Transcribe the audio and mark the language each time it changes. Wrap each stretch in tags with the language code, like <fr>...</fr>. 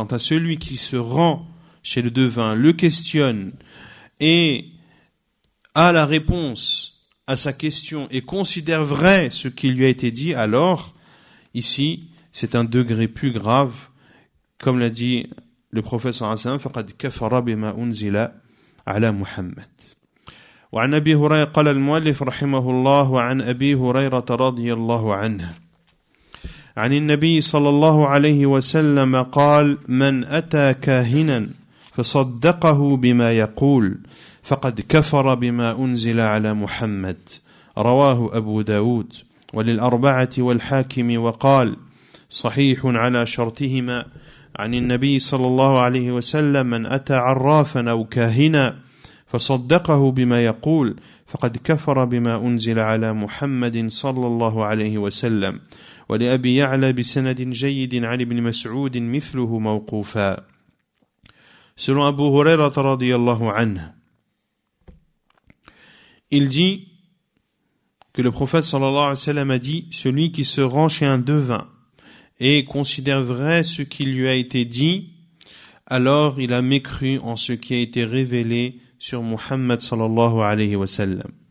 <fr>Quant à celui qui se rend chez le devin, le questionne et a la réponse à sa question et considère vrai ce qui lui a été dit, alors ici c'est un degré plus grave, comme l'a dit le prophète sallallahu alayhi wa sallam,</fr> <ar>faqad kafara bima unzila ala Muhammad. وعن ابي هريره قال المؤلف رحمه الله وعن ابي هريره رضي الله عنه عن النبي صلى الله عليه وسلم قال من أتى كاهنا فصدقه بما يقول فقد كفر بما أنزل على محمد رواه أبو داود وللأربعة والحاكم وقال صحيح على شرطهما عن النبي صلى الله عليه وسلم من أتى عرافا أو كاهنا فصدقه بما يقول فقد كفر بما أنزل على محمد صلى الله عليه وسلم ولأبي يعلى بسند جيد عن ابن مسعود مثله موقوفا.</ar> <fr>Selon Abu Huraira radiyallahu anhu, il dit que le prophète sallallahu alayhi wa sallam a dit, celui qui se rend chez un devin et considère vrai ce qui lui a été dit, alors il a mécru en ce qui a été révélé sur Muhammad sallallahu alayhi wa sallam.</fr>